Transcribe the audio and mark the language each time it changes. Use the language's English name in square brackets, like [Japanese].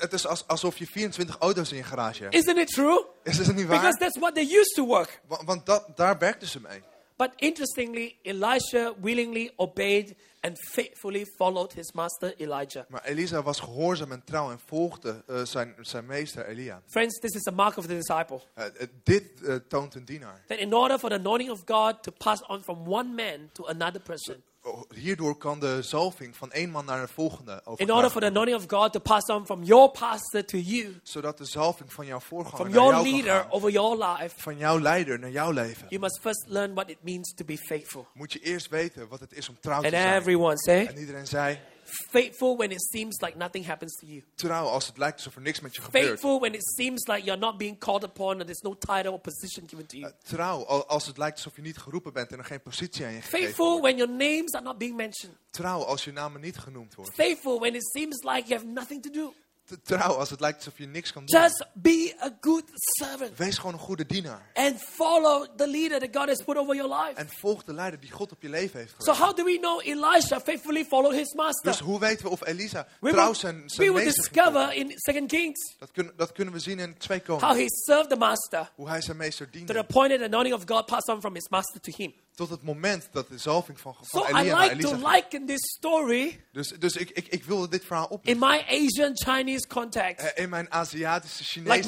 [Dutch] Het is alsof je 24 auto's in je garage hebt. [English] Isn't it true? [Dutch] Is het niet waar? [English] Because that's what they used to work. [Dutch] Want daar werkten ze mee. [English] But interestingly, Elisha willingly obeyed and faithfully followed his master Elijah. [Dutch] Maar Elisa was gehoorzaam en trouw en volgde zijn meester Elia. [English] Friends, this is a mark of the disciple. [Dutch] Dit toont een dienaar. [English] That in order for the anointing of God to pass on from one man to another person. [Dutch] Hierdoor kan de zalving van één man naar de volgende overgaan. [English] In order for the anointing of God to pass on from your pastor to you. [Dutch] Zodat de zalving van jouw voorganger [English] from [Dutch] naar jou kan gaan. [English] From your leader over your life. [Dutch] Van jouw leider naar jouw leven. [English] You must first learn what it means to be faithful. [Dutch] Moet je eerst weten wat het is om trouw [English] and [Dutch] te zijn. [English] Everyone say, [Dutch] en iedereen zei. [English] Faithful when it seems like nothing happens to you. [Dutch] Trouw als het lijkt alsof er niks met je gebeurt. [English] Faithful when it seems like you're not being called upon and there's no title or position given to you. [Dutch] Trouw als het lijkt alsof je niet geroepen bent en er geen positie aan je gegeven [English] Faithful when your names are not being mentioned. [Dutch] Trouw als je namen niet genoemd wordt. [English] Faithful when it seems like you have nothing to do. [Dutch] Trouw als het lijkt alsof je niks kan doen. [English] Just be a good servant. [Dutch] Wees gewoon een goede dienaar. [English] And follow the leader that God has put over your life. [Dutch] En volg de leider die God op je leven heeft gelegd. [English] So how do we know Elisha faithfully followed his master? [Dutch] Dus hoe weten we of Elisa trouw zijn meester ging? [English] We will discover in 2 Kings. [Dutch] Dat kunnen we zien in 2 Koningen. [English] How he served the master. [Dutch] Hoe hij zijn meester diende. [English] To the point that the anointing of God passed on from his master to him. [Dutch] Tot het moment dat de zalving van Elia [English] so [Dutch] naar Elisa [English] like to [Dutch] ging. [English] Liken this story [Dutch] dus ik wilde dit verhaal opnemen. [English] In my Asian Chinese context. [Dutch] In mijn Aziatische Chinese context.